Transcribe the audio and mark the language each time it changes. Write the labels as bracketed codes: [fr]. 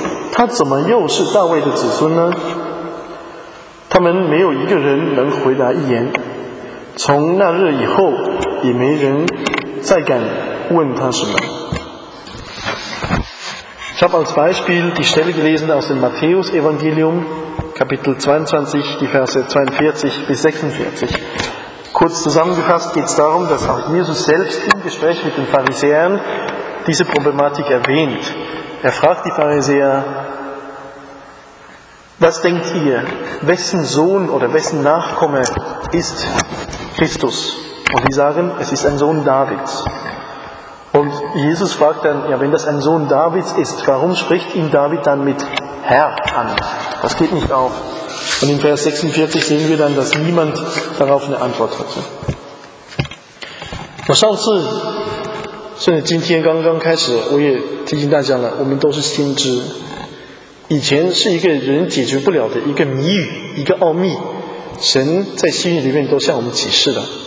[zh] 他们回答说：“是大卫的子孙。”耶稣说：“这样，大卫被圣灵感动，怎么还称他为主？”他说：“主对我主说，你坐在我的右边，等我把你仇敌放在你的脚下。大卫该称他为主，他怎么又是大卫的子孙呢？”他们没有一个人能回答一言。从那日以后，也没人再敢问他什么。 [de] Ich habe als Beispiel die Stelle gelesen aus dem Matthäus-Evangelium, Kapitel 22, die Verse 42 bis 46. Kurz zusammengefasst geht es darum, dass auch Jesus selbst im Gespräch mit den Pharisäern diese Problematik erwähnt. Er fragt die Pharisäer, was denkt ihr, wessen Sohn oder wessen Nachkomme ist Christus? Und die sagen, es ist ein Sohn Davids. Und Jesus fragt dann, ja, wenn das ein Sohn Davids ist, warum spricht ihn David dann mit Herr an? Das geht nicht auf. Und in Vers 46 sehen wir dann, dass niemand darauf eine Antwort hatte. [zh] 我上次, 甚至今天刚刚开始, 我也提醒大家了, 我们都是先知, 以前是一个人解决不了的一个谜语, 一个奥秘, 神在新约里面都向我们启示了。